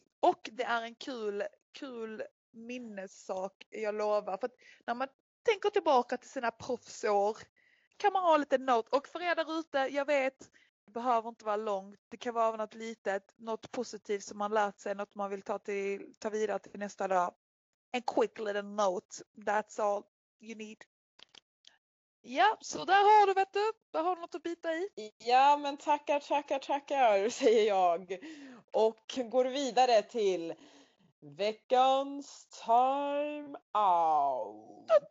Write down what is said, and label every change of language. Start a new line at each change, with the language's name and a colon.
Swedish: Och det är en kul minnessak, jag lovar. För att när man tänker tillbaka till sina proffsår kan man ha lite note. Och för er där ute, jag vet, det behöver inte vara långt. Det kan vara något litet, något positivt som man lärt sig. Något man vill ta vidare till nästa dag.
English: En quick little note, that's all you need.
Swedish: Ja, så där har du, vet du. Där har du något att bita i. Ja, men tackar, säger jag. Och går vidare till veckans time out.